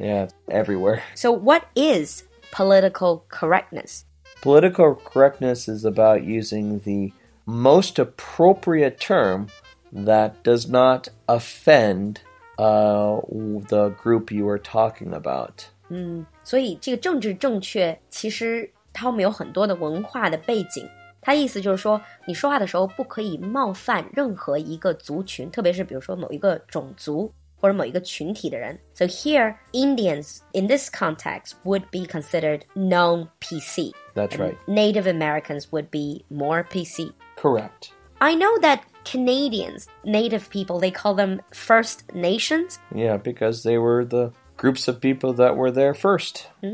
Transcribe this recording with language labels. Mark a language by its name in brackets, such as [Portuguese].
[English] Yeah, everywhere. So what is political correctness? Political correctness is about using the most appropriate term... that does not offend the group you are talking about. [Chinese] 所以这个政治正确其实它后面有很多的文化的背景。它意思就是说你说话的时候不可以冒犯任何一个族群特别是比如说某一个种族或者某一个群体的人。 [English] So here, Indians in this context would be considered non-PC. That's right. Native Americans would be more PC. Correct. I know that... Canadians, native people, they call them First Nations? Yeah, because they were the groups of people that were there first.